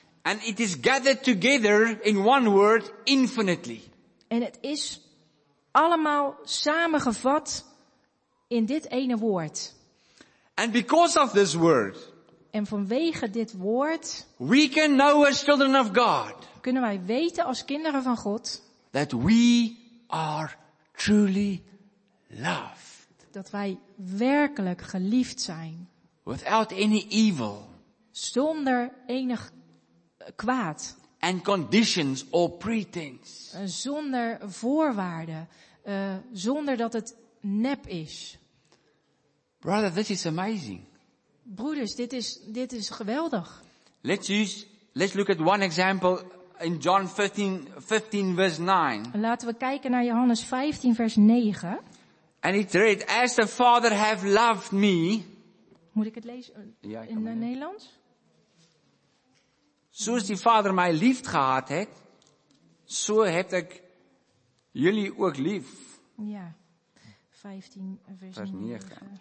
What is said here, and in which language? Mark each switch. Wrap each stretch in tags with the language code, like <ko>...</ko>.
<en>And it is gathered together in one word, infinitely.</en> <nl>En het is allemaal samengevat in dit ene woord.</nl> <en>And because of this word.</en> <nl>En vanwege dit woord.</nl> <en>We can know as children of God.</en> <nl>Kunnen wij weten als kinderen van God.</nl> <en>That we are truly loved.</en> <nl>Dat wij werkelijk geliefd zijn.</nl> <en>Without any evil.</en> <nl>Zonder enig kwaad.</nl> <en>And conditions or pretense.</en> <nl>Zonder voorwaarden. Zonder dat het nep is.</nl> <en>Brother, this is amazing.</en> <nl>Broeders, dit is geweldig.</nl> <en>Let's look at one example in John 15 verse 9.</en> <nl>Laten we kijken naar Johannes 15 vers 9.</nl> <en>And it read, as the Father have loved me.</en> <nl>Moet ik het lezen in het Nederlands? Zoals die vader mij lief gehad heeft, zo heb ik jullie ook lief. Ja, 15 vers 9.</nl>